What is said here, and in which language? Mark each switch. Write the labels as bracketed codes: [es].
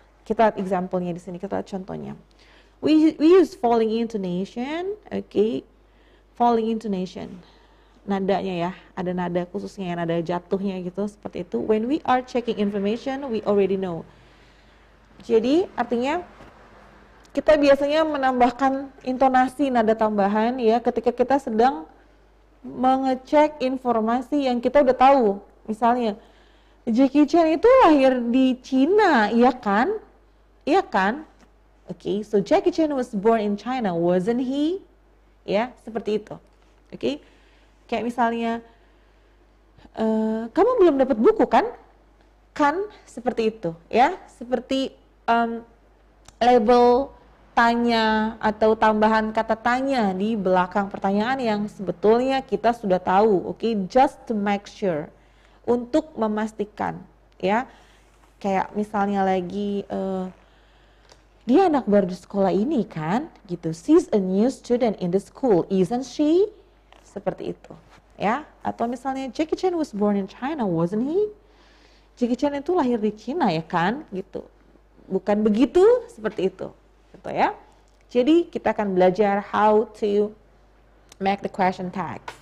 [id] Kita lihat example-nya di sini, kita lihat contohnya. [en] We use falling intonation, okay? Falling intonation. [id] Nadanya ya, ada nada khususnya yang ada jatuhnya gitu, seperti itu. [en] When we are checking information, we already know. [id] Jadi, artinya kita biasanya menambahkan intonasi nada tambahan ya ketika kita sedang mengecek informasi yang kita udah tahu. Misalnya Jackie Chan itu lahir di China, iya kan? Iya kan? [en] Okay, so Jackie Chan was born in China, wasn't he? [id] Ya, seperti itu. Okay, kayak misalnya, kamu belum dapat buku kan? Kan? Seperti itu, ya? Seperti label tanya atau tambahan kata tanya di belakang pertanyaan yang sebetulnya kita sudah tahu. [en] Okay, just to make sure. [id] Untuk memastikan, ya, kayak misalnya lagi dia anak baru di sekolah ini kan, gitu. [en] She's a new student in the school, isn't she? [id] Seperti itu, ya. Atau misalnya [en] Jackie Chan was born in China, wasn't he? [id] Jackie Chan itu lahir di China ya kan, gitu. Bukan begitu? Seperti itu, gitu ya. Jadi kita akan belajar [en] how to make the question text.